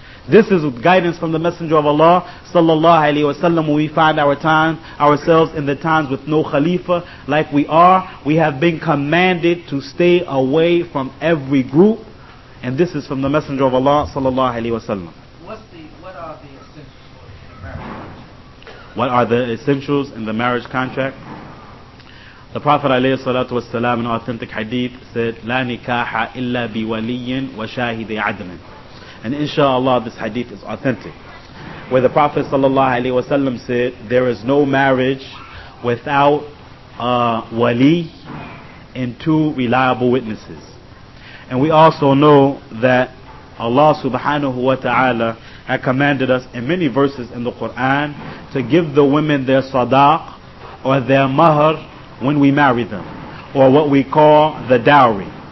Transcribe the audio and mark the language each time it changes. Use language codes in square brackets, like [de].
[en] This is guidance from the Messenger of Allah, Sallallahu Alaihi Wasallam, when we find our time, ourselves in the times with no Khalifa, like we are. We have been commanded to stay away from every group. And this is from the Messenger of Allah, Sallallahu Alaihi Wasallam. What are the essentials in the marriage contract? The Prophet [ar] عليه الصلاة والسلام [en] in authentic hadith said, [ar] لا نكاح إلا بولي وشاهد عدل. [en] And inshallah, this hadith is authentic, where the Prophet sallallahu alaihi wasallam said, there is no marriage without a wali and 2 reliable witnesses. And we also know that Allah subhanahu wa ta'ala had commanded us in many verses in the Quran to give the women their sadaq or their mahr when we marry them, or what we call the dowry.